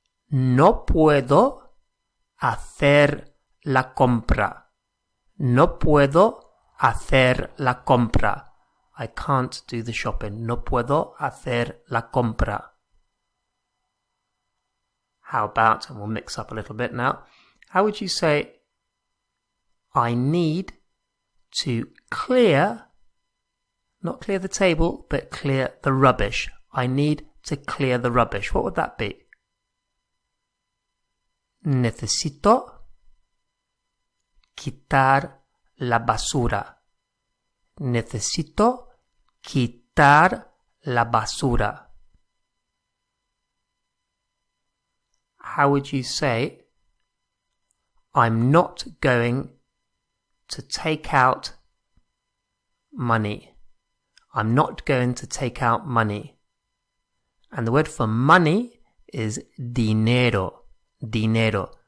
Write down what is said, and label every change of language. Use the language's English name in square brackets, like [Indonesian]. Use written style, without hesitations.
[Spanish] No puedo hacer la compra. No puedo hacer la compra. [English] I can't do the shopping. [Spanish] No puedo hacer la compra. [English] How about, and we'll mix up a little bit now, how would you say, I need to clear, not clear the table, but clear the rubbish. I need to clear the rubbish. What would that be? [Spanish] Necesito quitar la basura. Necesito quitar la basura. [English] How would you say, I'm not going to take out money? I'm not going to take out money. And the word for money is dinero. Dinero.